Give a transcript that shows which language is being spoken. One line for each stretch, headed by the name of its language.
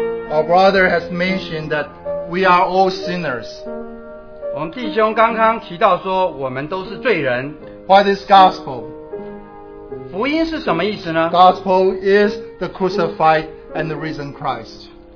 English: Our brother has mentioned that we are all sinners.
Chinese: 我们弟兄刚刚提到说我们都是罪人。
English: What is gospel?
Chinese: 福音是什么意思呢?
English: Gospel is the crucified and the risen Christ.